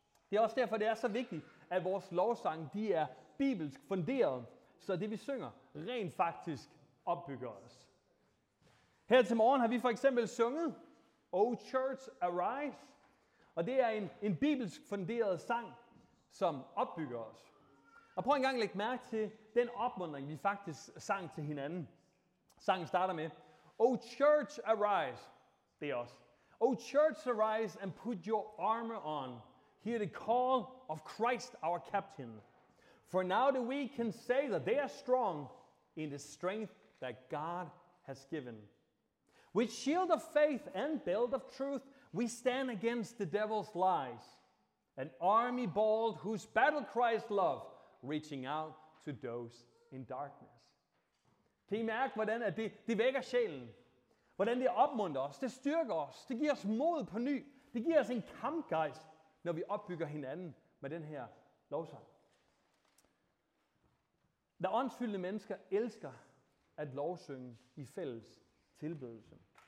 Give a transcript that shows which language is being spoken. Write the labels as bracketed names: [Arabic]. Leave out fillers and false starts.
[Danish] Det er også derfor, det er så vigtigt, at vores lovsang, de er bibelsk funderet, så det vi synger rent faktisk opbygger os. Her til morgen har vi for eksempel sunget O Church Arise, og det er en bibelsk funderet sang, som opbygger os. Og prøv engang at lægge mærke til den opmuntring, vi faktisk sang til hinanden. Sangen starter med, [English] O church, arise. [Danish] Det er os. [English] O church, arise and put your armor on. Hear the call of Christ our captain. For now the weak can say that they are strong in the strength that God has given. With shield of faith and belt of truth, we stand against the devil's lies. An army bold whose battle cries love, reaching out to those in darkness. [Danish] Kan I mærke, hvordan at det vækker sjælen? Hvordan det opmunter os, det styrker os, det giver os mod på ny. Det giver os en kampgejst, når vi opbygger hinanden med den her lovsang. Da åndsfyldte mennesker elsker at lovsynge i fælles tilbedelse.